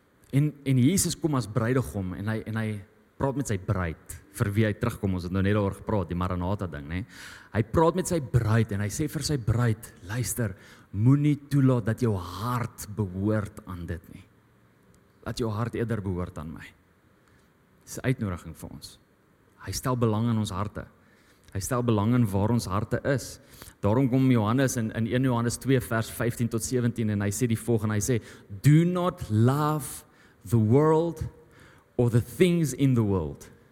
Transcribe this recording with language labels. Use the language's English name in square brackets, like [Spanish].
[Afrikaans] En Jesus kom as bruidegom en hy praat met sy bruid, vir wie hy terugkom. Ons het nou net daaroor gepraat, die Maranatha ding, nê? Hy praat met sy bruid en hy sê vir sy bruid, luister, moenie toelaat dat jou hart behoort aan dit nie. Laat jou hart eerder behoort aan my. Dis 'n uitnodiging vir ons. Hy stel belang in ons harte. Hy stel belang in waar ons harte is. Daarom kom Johannes in 1 Johannes 2 vers 15 tot 17 en hy sê die volgende, hy sê, [English] do not love the world [Afrikaans] or the things in the world.